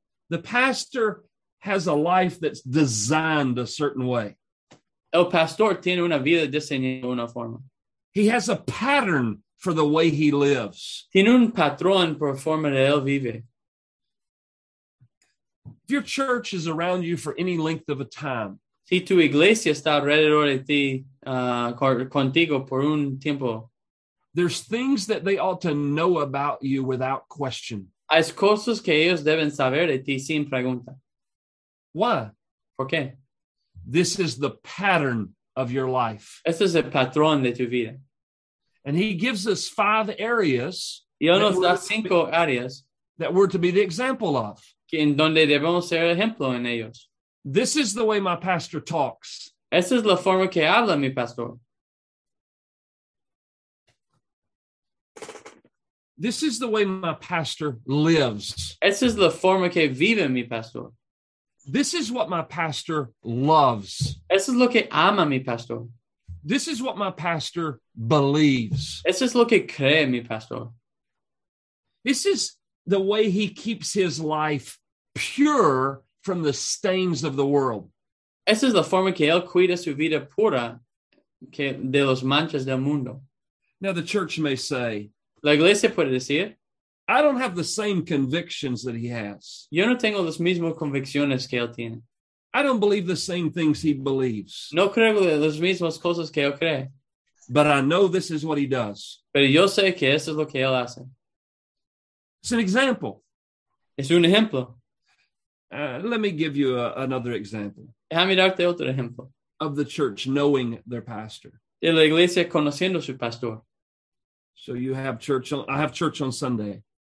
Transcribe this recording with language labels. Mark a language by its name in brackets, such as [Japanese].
[English] The pastor has a life that's designed a certain way. [Spanish] El pastor tiene una vida diseñada de una forma. [English] He has a pattern for the way he lives. [Spanish] Tiene un patrón por forma de él vive. [English] If your church is around you for any length of a time. [Spanish] Si tu iglesia está alrededor de ti, contigo por un tiempo. [English] There's things that they ought to know about you without question. [Spanish] Hay cosas que ellos deben saber de ti sin pregunta. [English] Why? [Spanish] ¿Por qué? [English] This is the pattern of your life. [Spanish] Este es el patrón de tu vida. [English] And he gives us 5 areas. [Spanish] Y él nos da 5 áreas. [English] That we're to be the example of. [Spanish] Que en donde debemos ser ejemplo en ellos. [English] This is the way my pastor talks. [Spanish] Esta es la forma que habla mi pastor. [English] This is the way my pastor lives. [Spanish] Esta es la forma que vive mi pastor. [English] This is what my pastor loves. [Spanish] Esto es lo que ama mi pastor. [English] This is what my pastor believes. [Spanish] Esto es lo que cree mi pastor. [English] This is the way he keeps his life pure from the stains of the world. [Spanish] Esta es la forma que él cuida su vida pura que de los manchas del mundo. [English] Now the church may say, [Spanish] la iglesia puede decir, [English] I don't have the same convictions that he has. [Spanish] Yo no tengo las mismas convicciones que él tiene. [English] I don't believe the same things he believes. [Spanish] No creo las mismas cosas que él cree. [English] But I know this is what he does. [Spanish] Pero yo sé que eso es lo que él hace. [English] It's an example. [Spanish] Es un ejemplo. [English] Let me give you another example. [Spanish] Déjame darte otro ejemplo. [English] Of the church knowing their pastor. [Spanish] De la iglesia conociendo su pastor. [English] So you have church. I have church on Sunday.